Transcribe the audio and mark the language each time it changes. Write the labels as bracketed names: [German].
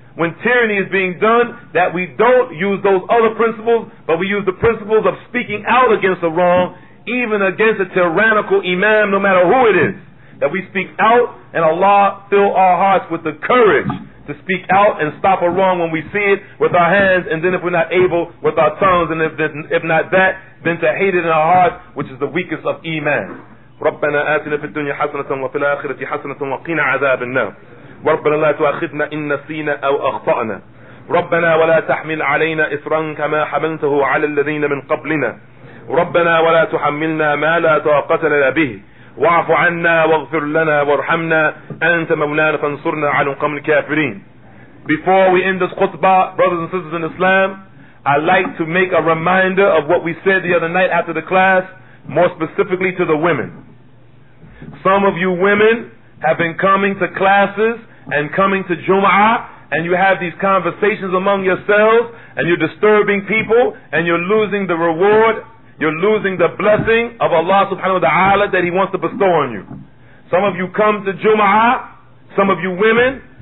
[English] When tyranny is being done, that we don't use those other principles, but we use the principles of speaking out against the wrong, even against a tyrannical imam, no matter who it is. That we speak out, and Allah fill our hearts with the courage to speak out and stop a wrong when we see it with our hands, and then if we're not able, with our tongues, and if not that, then to hate it in our hearts, which is the weakest of iman. [Arabic] رَبَّنَا آتِنَا فِي الدُّنْيَا حَسَنَةً وَفِي الْآخِرَةِ حَسَنَةً وَقِنَا عَذَابَ النَّارِ ربنا لا تؤاخذنا إن نسينا أو أخطأنا ربنا ولا تحمل علينا إصرا كما حملته على الذين من قبلنا ربنا ولا تحملنا ما لا طاقة لنا به واعف عنا واغفر لنا وارحمنا أنت مولانا فانصرنا على قوم الكافرين. [English] Before we end this khutbah, brothers and sisters in Islam, I'd like to make a reminder of what we said the other night after the class, more specifically to the women. Some of you women have been coming to classes and coming to Jum'ah, and you have these conversations among yourselves, and you're disturbing people, and you're losing the reward, you're losing the blessing of Allah subhanahu wa ta'ala that He wants to bestow on you. Some of you come to Jum'ah, some of you women,